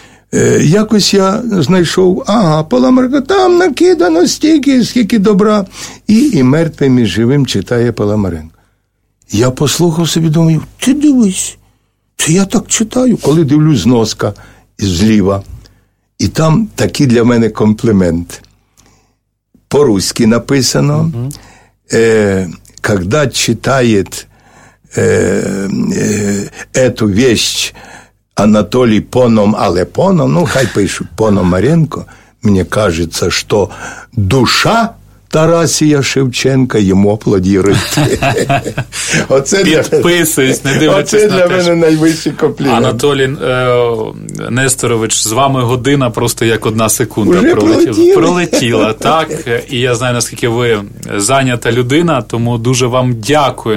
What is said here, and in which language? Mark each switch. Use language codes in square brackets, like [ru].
[uk] Якось я знайшов, Паламарко, там накидано стільки, скільки добра. І мертвим, і живим читає Паламаренко. Я послухав собі, думаю, ти дивись, чи я так читаю? Коли дивлюсь зноска зліва, і там такий для мене комплімент. По-руськи написано, [ru] когда читает эту вещь Анатолий Пономаренко, ну хай пишут Пономаренко, мне кажется, что душа Тарасія Шевченка [uk] йому аплодірують. Оце підписуюсь, не дивлячись на те. Оце для мене найвищий комплімент. Анатолій Несторович, з вами година просто як одна секунда пролетіла. Так, і я знаю, наскільки ви зайнята людина, тому дуже вам дякую.